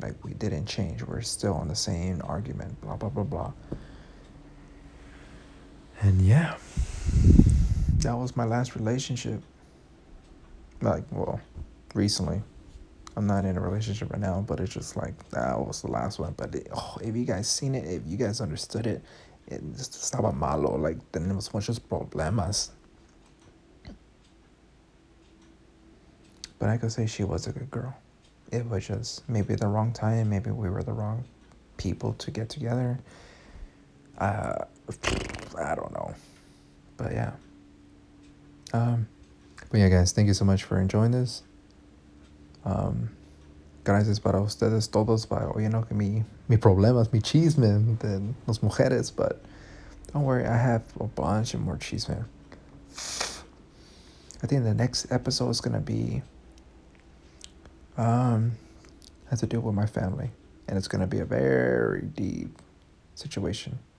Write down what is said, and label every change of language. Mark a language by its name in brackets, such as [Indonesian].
[English] Like, we didn't change. We're still on the same argument. Blah, blah, blah, blah. And yeah. That was my last relationship. Like, well, recently. I'm not in a relationship right now. But it's just like, that was the last one. But it, oh, if you guys seen it, if you guys understood it, it's [Spanish] estaba malo. [English] Like, [Spanish] tenemos muchos problemas. [English] But I could say she was a good girl. It was just maybe the wrong time. Maybe we were the wrong people to get together. I don't know. But yeah. But yeah, guys, thank you so much for enjoying this. [Spanish] Gracias para ustedes todos. Para oyendo que mi problemas, mi chisme de las mujeres. [English] But don't worry, I have a bunch of more chisme. I think the next episode is going to be has to do with my family, and it's gonna be a very deep situation.